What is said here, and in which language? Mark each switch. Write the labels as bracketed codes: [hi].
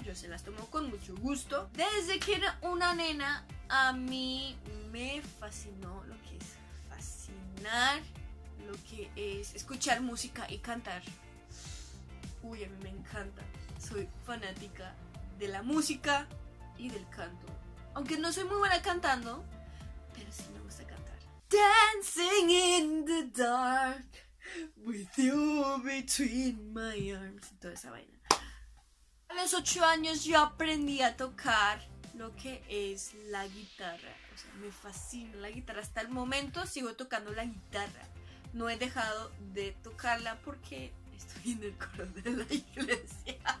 [es] Yo se las tomo con mucho gusto. Desde que era una nena, a mí me fascinó lo que es fascinar, lo que es escuchar música y cantar. Uy, a mí me encanta. Soy fanática de la música y del canto. Aunque no soy muy buena cantando, pero sí me gusta cantar. [en] Dancing in the dark with you between my arms. [es] Toda esa vaina. A los 8 años yo aprendí a tocar lo que es la guitarra. O sea, me fascina la guitarra. Hasta el momento sigo tocando la guitarra. No he dejado de tocarla porque estoy en el coro de la iglesia.